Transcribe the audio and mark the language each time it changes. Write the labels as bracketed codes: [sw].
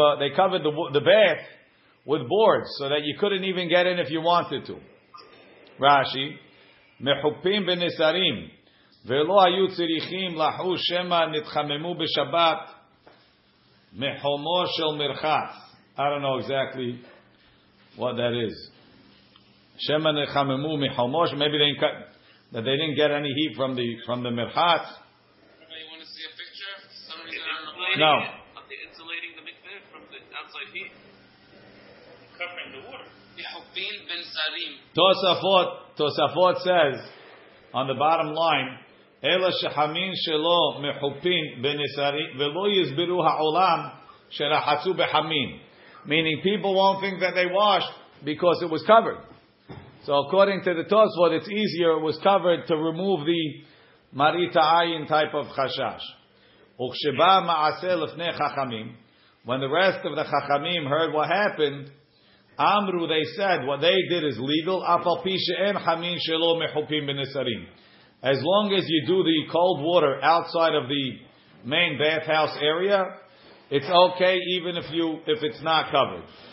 [en] They covered the bath with boards so that you couldn't even get in if you wanted to. Rashi, [he] mechupim benisarim. ולא היו צריכים לחוש שמה נתחממו בשבת מחומו של מרחץ. [en] I don't know exactly what that is. [he] שמה נתחממו מחומו, [en] maybe they didn't get any heat from the מרחץ. You want to see a picture? For some reason, I'm not insulating the mikveh from the outside heat. Covering the water. [he] יחופין בן זרים. תוספות [en] says on the bottom line, [he] אלא שחמין שלו מחופין בנסרים ולא יסבירו העולם שרחצו בחמין. [en] Meaning people won't think that they washed because it was covered. So according to the Tosfot, it's easier it was covered to remove the marita ayin type of חשש. [he] וכשבא מעשה לפני חכמים, [en] when the rest of the חכמים heard what happened, [he] אמרו, [en] they said, what they did is legal, [he] אף על פי שאין חמין שלו מחופין בנסרים. [en] As long as you do the cold water outside of the main bathhouse area, it's okay even if it's not covered.